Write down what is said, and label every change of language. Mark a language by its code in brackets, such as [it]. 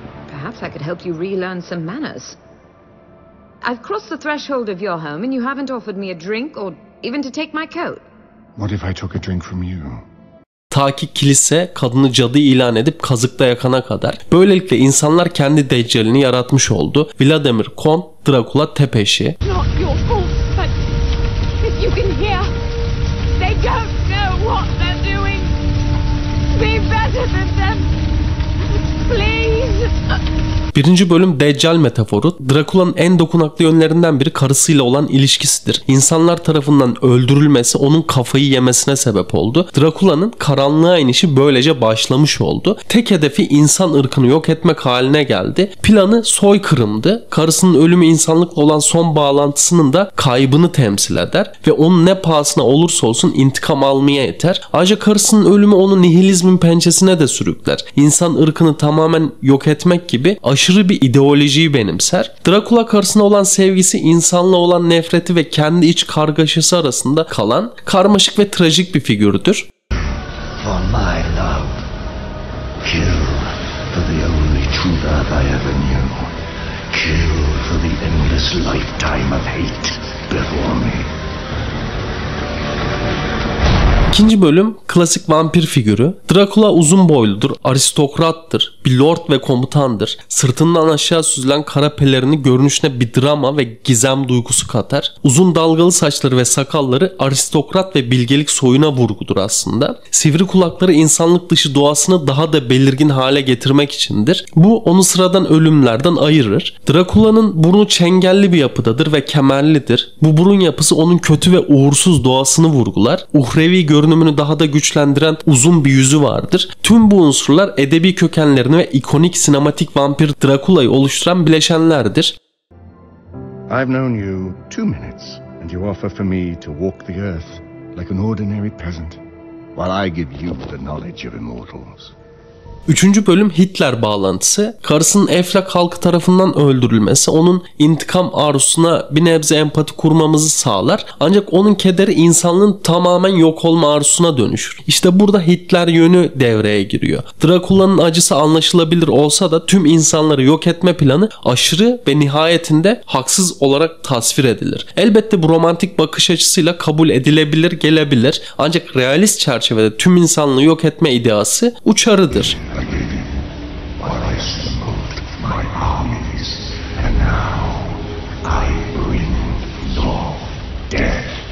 [en] Perhaps I could help you relearn some manners. I've crossed the threshold of your home and you haven't offered me a drink or even to take my coat. What if I took a drink from you? [tr] Ta ki kilise kadını cadı ilan edip kazıkta yakana kadar. Böylelikle insanlar kendi deccalini yaratmış oldu. Vladimir Kon, Dracula Tepeşi. [en] Not your fault, but if you can hear, they don't know what they're doing. Be better than them, please. [tr] Birinci bölüm Deccal metaforu, Dracula'nın en dokunaklı yönlerinden biri karısıyla olan ilişkisidir. İnsanlar tarafından öldürülmesi onun kafayı yemesine sebep oldu. Dracula'nın karanlığa inişi böylece başlamış oldu. Tek hedefi insan ırkını yok etmek haline geldi. Planı soykırımdı. Karısının ölümü insanlıkla olan son bağlantısının da kaybını temsil eder. Ve onun ne pahasına olursa olsun intikam almaya yeter. Ancak karısının ölümü onu nihilizmin pençesine de sürükler. İnsan ırkını tamamen yok etmek gibi aşırı bir ideolojiyi benimser. Dracula karısına olan sevgisi, insanla olan nefreti ve kendi iç kargaşası arasında kalan karmaşık ve trajik bir figürdür. [en] For my love, kill for the only true love I ever knew. Kill for the endless lifetime of hate before me. [tr] İkinci bölüm klasik vampir figürü. Dracula uzun boyludur, aristokrattır, bir lord ve komutandır. Sırtından aşağı süzülen kara pelerini görünüşüne bir drama ve gizem duygusu katar. Uzun dalgalı saçları ve sakalları aristokrat ve bilgelik soyuna vurgudur aslında. Sivri kulakları insanlık dışı doğasını daha da belirgin hale getirmek içindir. Bu onu sıradan ölümlerden ayırır. Dracula'nın burnu çengelli bir yapıdadır ve kemerlidir. Bu burun yapısı onun kötü ve uğursuz doğasını vurgular. Uhrevi görünümünü daha da güçlendiren uzun bir yüzü vardır. Tüm bu unsurlar edebi kökenlerini ve ikonik sinematik vampir Dracula'yı oluşturan bileşenlerdir. [en] I've known you 2 minutes and you offer for me to walk the earth like an ordinary peasant while I give you the knowledge of immortals. [tr] Üçüncü bölüm Hitler bağlantısı. Karısının Eflak halkı tarafından öldürülmesi onun intikam arzusuna bir nebze empati kurmamızı sağlar. Ancak onun kederi insanlığın tamamen yok olma arzusuna dönüşür. İşte burada Hitler yönü devreye giriyor. Dracula'nın acısı anlaşılabilir olsa da tüm insanları yok etme planı aşırı ve nihayetinde haksız olarak tasvir edilir. Elbette bu romantik bakış açısıyla kabul edilebilir gelebilir. Ancak realist çerçevede tüm insanlığı yok etme ideası uçarıdır. [en] I gave him while I assembled my armies, and now I bring your death.